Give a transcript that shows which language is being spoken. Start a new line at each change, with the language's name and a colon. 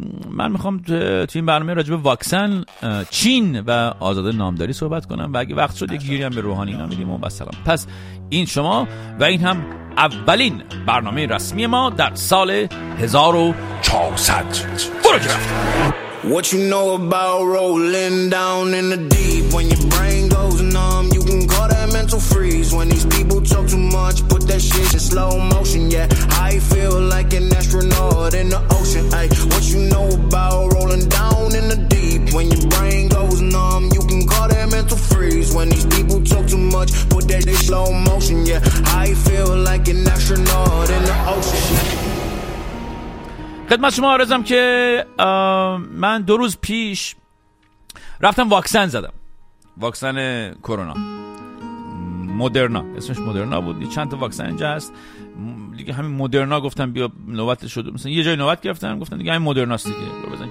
Persian: من میخوام تو این برنامه راجب واکسن، چین و آزاده نامداری صحبت کنم و اگه وقت شد یک گیری هم به روحانی اینا میدیم و بسلام. پس این شما و این هم اولین برنامه رسمی ما در سال 1400. برو گرفت.
English: What you know about rolling down in the deep when your brain goes numb, you can call that mental freeze. When these people talk too much, put that shit in slow motion. Yeah, I feel like an astronaut in the ocean. Ay, what you know about rolling down in the deep when your brain goes numb, you can call that mental freeze. When these people talk too much, put that shit in slow motion. Yeah, I feel like an astronaut in the ocean.
Persian: خدمت شما عرضم که من دو روز پیش رفتم واکسن زدم، واکسن کرونا، مدرنا، اسمش مدرنا بود. چند تا واکسن اینجا هست دیگه، همین مدرنا گفتم بیا نوبت شد، مثلا یه جای نوبت گرفتم گفتم دیگه همین مدرناست دیگه، برو بزن.